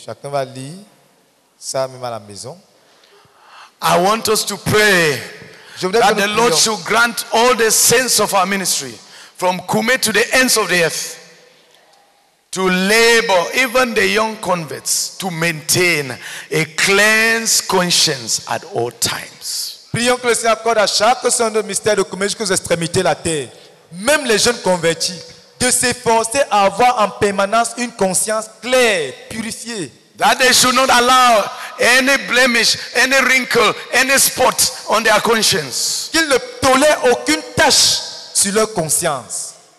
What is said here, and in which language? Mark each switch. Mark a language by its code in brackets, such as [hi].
[fr] Chacun va lire ça même à la maison. [en] I want us to pray that the Lord should grant all the saints of our ministry from Kume to the ends of the earth to labor, even the young converts, to maintain a cleansed conscience at all times. [fr] Prions que le Seigneur accorde à chaque saint de mystère de Kume jusqu'aux extrémités de la terre, même les jeunes convertis, de s'efforcer à avoir en permanence une conscience claire, purifiée. [en] That they should not allow any blemish, any wrinkle, any spot on their conscience. [fr] Qu'ils ne tolèrent aucune tache sur leur conscience.